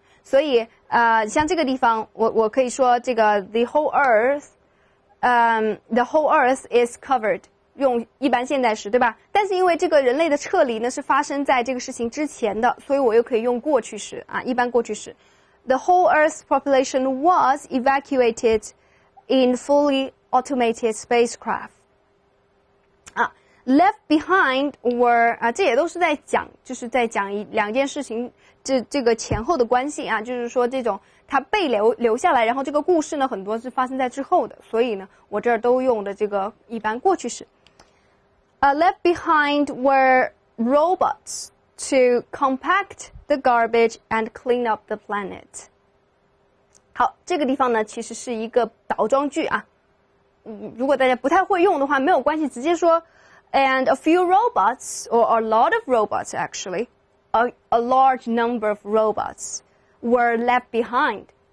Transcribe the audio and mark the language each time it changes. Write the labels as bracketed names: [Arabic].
[Chinese] 所以像这个地方我可以说这个 [English] the whole earth is covered， [Chinese] 用一般现在时，对吧？但是因为这个人类的撤离呢是发生在这个事情之前的，所以我又可以用过去时啊，一般过去时。 [English] The whole earth's population was evacuated in fully automated spacecraft。 [Chinese] 啊， [English] left behind were [Chinese] 啊，这也都是在讲，就是在讲两件事情这个前后的关系啊，就是说这种它被留下来，然后这个故事呢很多是发生在之后的，所以呢我这儿都用的这个一般过去式。 [English] Left behind were robots to compact the garbage and clean up the planet。 [Chinese] 好，这个地方呢其实是一个倒装句啊，如果大家不太会用的话没有关系，直接说 [English] and a few robots or a lot of robots actually a large number of robots were left behind